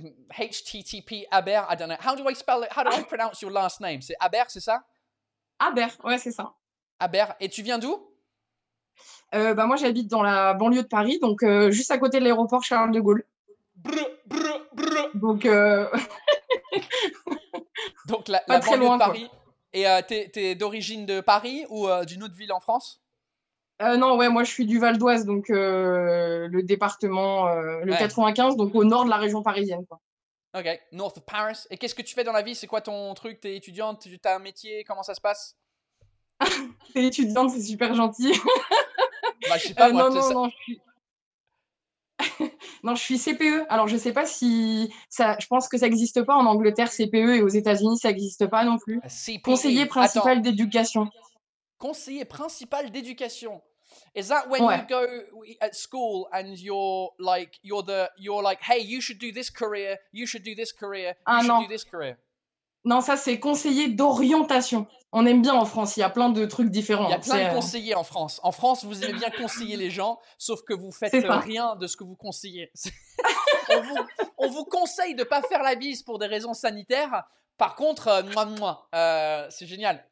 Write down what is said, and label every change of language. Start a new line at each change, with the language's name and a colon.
English: HTTP Haber, I don't know. How do I spell it? How do I pronounce your last name?
French: C'est Haber, c'est ça? Haber, ouais, c'est ça. Haber, et tu viens d'où? Bah, moi, j'habite dans la banlieue de Paris, donc juste à côté de l'aéroport Charles de Gaulle. Brr. Donc, donc la banlieue très loin, de Paris. Quoi. Et t'es d'origine de Paris ou d'une autre ville en France? Non, ouais, moi je suis du Val-d'Oise, donc le département, le 95, donc au nord de la région parisienne. Quoi.
English: Ok, north of Paris.
French: Et qu'est-ce que tu fais dans la vie? C'est quoi ton truc? T'es étudiante? T'as un métier? Comment ça se passe? T'es étudiante, c'est super gentil. Bah, je sais pas, moi, non, je suis... Non, je suis CPE. Alors, je sais pas si ça. Je pense que ça n'existe pas en Angleterre, CPE, et aux États-Unis, ça n'existe pas non plus. CPE. Conseiller principal Attends. D'éducation. Conseiller principal d'éducation.
English: Is that when you go at school and you're like, hey, you should do this career, you should do this career, you should do this career.
French: Non, ça c'est conseiller d'orientation. On aime bien en France, il y a plein de trucs différents. Il y a plein de conseillers en France. En France, vous aimez bien conseiller les gens, sauf que vous faites rien de ce que vous conseillez. on vous conseille de pas faire la bise pour des raisons sanitaires. Par contre, c'est génial.